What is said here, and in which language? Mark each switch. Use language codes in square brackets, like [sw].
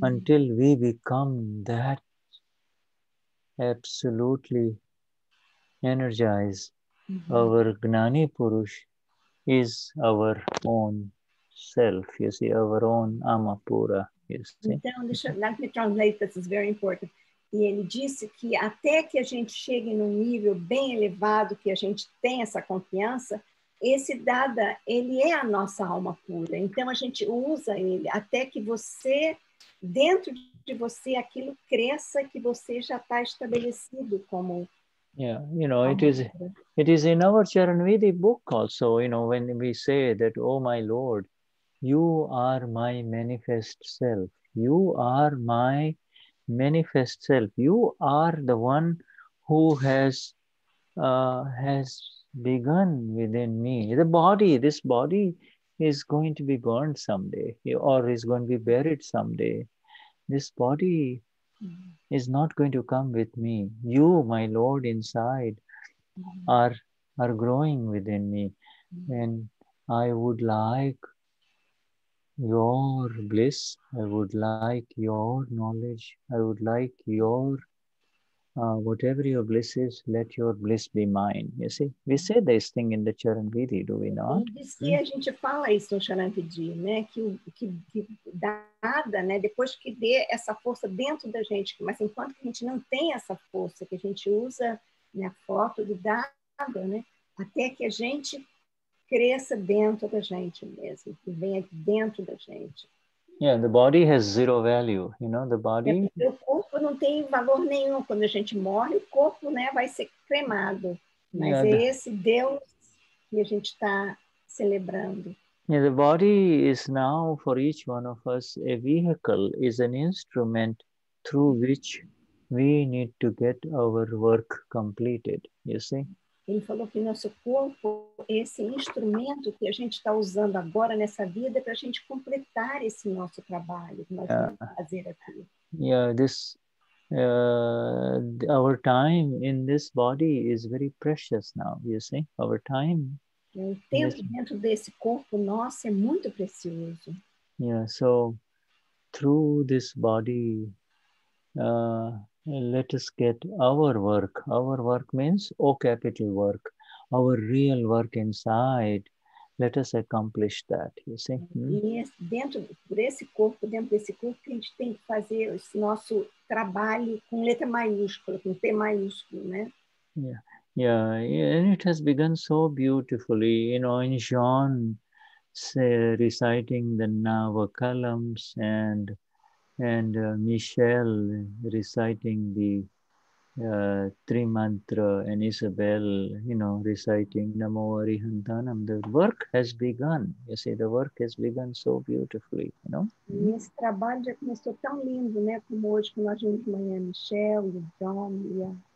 [en] until we become that absolutely energized, mm-hmm. our Gnani Purush is our own self, you see, our own Amapura, you see. Let me translate, this is very important. [pt] E ele disse que até que a gente chegue num nível bem elevado, que a gente tem essa confiança, esse Dada, ele é a nossa alma pura. Então, a gente usa ele até que você, dentro de você, aquilo cresça, que você já está estabelecido como... [en] Yeah, you know, it is in our Charanvidhi book also, you know, when we say that, oh my Lord, you are my manifest self, you are my manifest self, you are the one who has begun within me. The body, this body is going to be burned someday or is going to be buried someday. This body is not going to come with me. You, my Lord, inside are growing within me, and I would like your bliss, I would like your knowledge, I would like your whatever your bliss is, let your bliss be mine. You see, we say this thing in the Charanvidhi, do we not? [pt] E a gente fala isso no Charanvidhi, né? Que Dada, né? Depois que dê essa força dentro da gente, mas enquanto que a gente não tem essa força, que a gente usa, né, a foto do Dada, né? Até que a gente cresça dentro da gente mesmo, que venha dentro da gente. [en] Yeah, the body has zero value, you know, the body... [pt] O corpo não tem valor nenhum. Quando a gente morre, o corpo, né, vai ser cremado. Mas yeah, esse Deus que a gente está celebrando. [en] Yeah, the body is now, for each one of us, a vehicle, is an instrument through which we need to get our work completed, you see? [pt] Ele falou que nosso corpo é esse instrumento que a gente está usando agora nessa vida para a gente completar esse nosso trabalho que nós vamos fazer aqui. [en] Yeah, this our time in this body is very precious now. You see, our time. [pt] O tempo dentro desse corpo nosso é muito precioso. [en] Yeah, so through this body. Let us get our work means O capital work, our real work inside, let us accomplish that, you see. Hmm? [pt] E dentro, por esse corpo, dentro desse corpo, que a gente tem que fazer esse nosso trabalho com letra maiúscula, com T maiúsculo, né? [en] Yeah, and it has begun so beautifully, you know, in John reciting the Nava columns and Michelle reciting the Trimantra, and Isabel, you know, reciting Namo Arihantanam. The work has begun. You see, the work has begun so beautifully, you know. [pt] Mm-hmm. Esse trabalho já começou tão lindo, né? Como hoje, como nós vimos manhã, Michelle, John, yeah.